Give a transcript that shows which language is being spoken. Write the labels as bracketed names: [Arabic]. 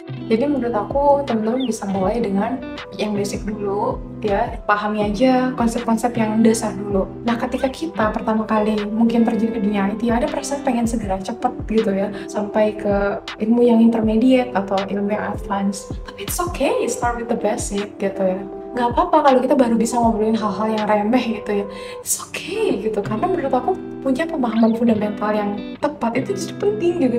[Indonesian] Jadi menurut aku, teman-teman bisa mulai dengan yang basic dulu ya, pahami aja konsep-konsep yang dasar dulu. Nah, ketika kita pertama kali mungkin terjun ke dunia IT, ada perasaan pengen segera cepet gitu ya, sampai ke ilmu yang intermediate atau ilmu yang advanced. [English] Tapi it's okay, start with the basic [Indonesian] gitu ya. Gak apa-apa kalau kita baru bisa ngobrolin hal-hal yang remeh gitu ya. [English] It's okay [Indonesian] gitu, karena menurut aku punya pemahaman fundamental yang tepat itu jadi penting gitu.